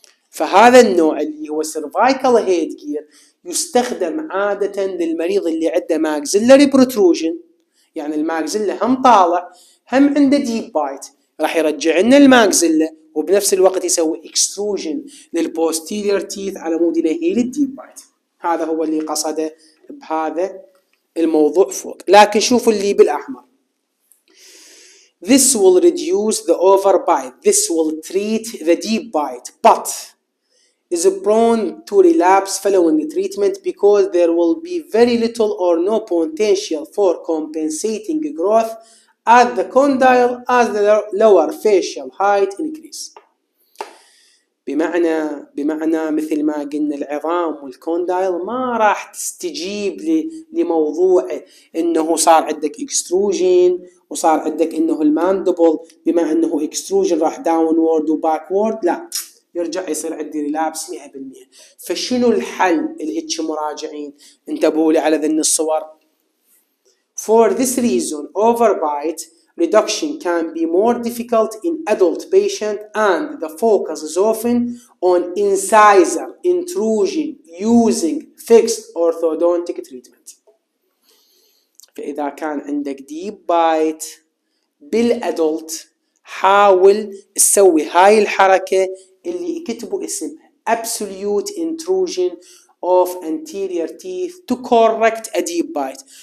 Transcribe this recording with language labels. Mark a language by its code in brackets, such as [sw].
[ar] فهذا النوع اللي هو سيرفايكال هيد جير يستخدم عادة للمريض اللي عنده ماكزيلاري بروتروجن، يعني الماكزيلا هم طالع هم عنده ديب بايت، راح يرجع لنا الماكزيلا وبنفس الوقت يسوي اكستروجن للبوستيريور تيث على مود ينهيل الديب بايت. هذا هو اللي قصده بهذا الموضوع فوق. لكن شوفوا اللي بالاحمر، [en] this will reduce the overbite, this will treat the deep bite but is prone to relapse following the treatment because there will be very little or no potential for compensating growth at the condyle as the lower facial height increase. [ar] بمعنى مثل ما قلنا العظام والكوندايل ما راح تستجيب لموضوع انه صار عندك اكستروجين وصار عندك انه الماندبل، بما انه اكستروجين راح داون وورد وباك وورد، لا يرجع يصير عندي ريلابس 100%. فشنو الحل الهيتش مراجعين؟ انتبهوا لي على ذن الصور. [en] For this reason, overbite reduction can be more difficult in adult patient and the focus is often on incisor intrusion using fixed orthodontic treatment. [ar] فإذا كان عندك ديب بايت بالأدلت، حاول تسوي هاي الحركة اللي يكتبوا اسمها [en] absolute intrusion of anterior teeth to correct a deep bite.